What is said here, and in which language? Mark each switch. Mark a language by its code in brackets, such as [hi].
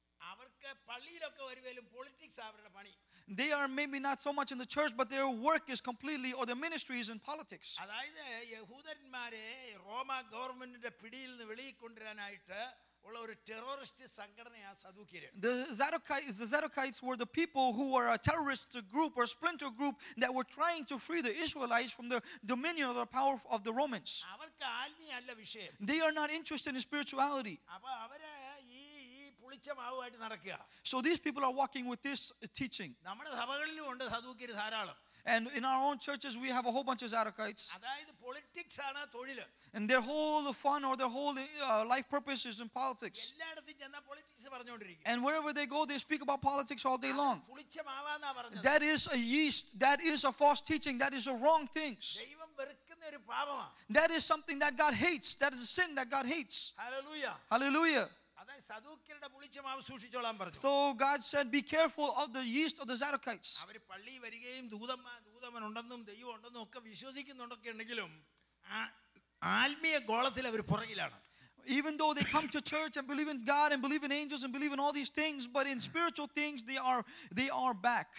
[ml] അവർക്ക് പള്ളിയിലൊക്കെ വരുവേലും പൊളിറ്റിക്സ് അവരുടെ പണി. [en] They are maybe not so much in the church, but their work is completely, or their ministry is in politics. [ml] അതായത് യഹൂദന്മാരെ റോമ ഗവൺമെന്റിന്റെ പിടിയിൽ നിന്ന് വെളിയിൽ കൊണ്ടുവരാനായിട്ട് ഉള്ള ഒരു ടെററിസ്റ്റ് സംഘടനയാണ് സദൂക്കിയർ. [en] The Sadducees were the people who were a terrorist group or splinter group that were trying to free the Israelites from the dominion or the power of the Romans. [ml] അവർക്ക് ആത്മീയല്ല വിഷയം. [en] They are not interested in spirituality. [ml] അപ്പോൾ അവരെ പുളിച്ചമാവുമായിട്ട് നടക്കുക. [en] So these people are walking with this teaching. [ml] നമ്മുടെ സഭകളിലും ഉണ്ട് സദൂക്കിയർ ധാരാളം. [en] And in our own churches we have a whole bunch of Sadducees. [ml] അതായത് politics ആണ് തൊഴിൽ. [en] And their whole fun or their whole life purpose is in politics. [ml] എല്ലായിടത്തും ജന politics പറഞ്ഞുകൊണ്ടിരിക്കും. [en] And wherever they go they speak about politics all day long. [ml] പുളിച്ചമാവാന്നാ പറഞ്ഞത്. [en] That is a yeast, that is a false teaching, that is a wrong things. [ml] ദൈവം വെറുക്കുന്ന ഒരു പാപമാ. [en] That is something that God hates, that is a sin that God hates. Hallelujah. Hallelujah. [ml] അതായത് സദൂക്കിയരുടെ പുളിച്ചമാവ് സൂക്ഷിച്ചോളാൻ പറഞ്ഞു. [en] So God said be careful of the yeast of the Sadducees. [ml] അവർ പള്ളി വരികയും ദൂതന്മാരുണ്ടെന്നും ഉണ്ടെന്നും ദൈവം ഉണ്ടെന്നും ഒക്കെ വിശ്വസിക്കുന്നുണ്ടൊക്കെ ഉണ്ടെങ്കിലും ആത്മീയ ഗോളത്തിൽ അവർ പുറകിലാണ്. [en] Even though they come to church and believe in God and believe in angels and believe in all these things, but in spiritual things they are back.